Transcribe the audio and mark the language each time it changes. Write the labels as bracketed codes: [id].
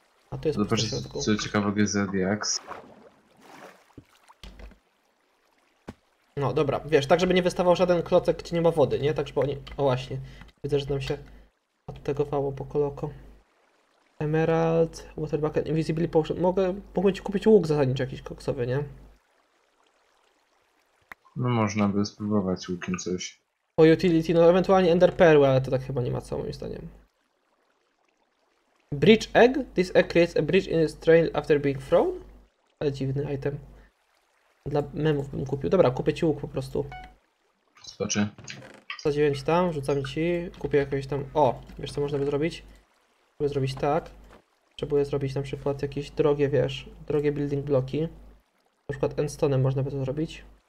[pl] A tu jest po środku. Co ciekawego jest ZDX. No dobra, wiesz, tak żeby nie wystawał żaden klocek, gdzie nie ma wody, nie? Tak żeby oni... O właśnie, widzę, że nam się odtegowało poco loco. Emerald, Water Bucket, Invisibility Potion. Mogę ci kupić łuk zasadniczy jakiś koksowy, nie? No można by spróbować łukiem coś. Po utility, no ewentualnie Ender Pearl, ale to tak chyba nie ma co, moim zdaniem. Bridge Egg? [en] This egg creates a bridge in its trail after being thrown? [pl] Ale dziwny item. Dla memów bym kupił. Dobra, kupię ci łuk po prostu. Zobaczę. Zadziwiam ci tam, rzucam ci. Kupię jakieś tam... O! Wiesz co można by zrobić? Zrobić tak. Trzeba zrobić na przykład jakieś drogie, wiesz, drogie building bloki. Na przykład endstone można by to zrobić.